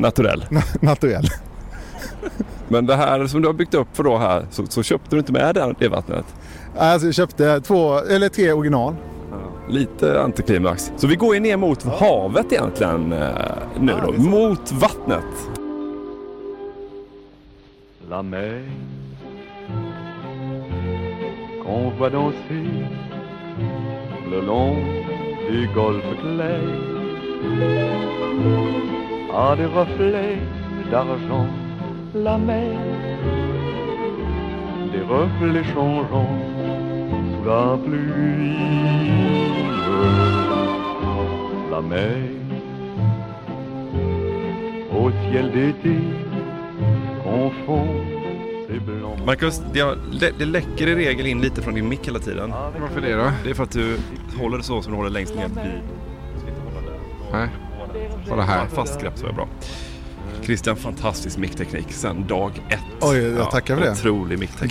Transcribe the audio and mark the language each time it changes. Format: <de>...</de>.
<sv>Naturell. Men det här som du har byggt upp för då här, så köpte du inte med det vattnet? Alltså, jag köpte två eller tre original. Lite antiklimax. Så vi går ner mot havet egentligen nu då. Mot vattnet.</sv> <fr>La mer qu'on voit danser le long du golfe clair a des reflets d'argent. La mer des reflets changeants sous la pluie. La mer au ciel d'été confond ses blancs.</fr> <sv>Marcus, det läcker i regel in lite från din mic hela tiden. Varför det då? Det är för att du håller det så som du håller längst ner vid. Nej, hålla här. Fast grepp så är bra. Christian, fantastisk mickteknik sen dag ett. Oj, jag tackar för det. Otrolig mickteknik.</sv>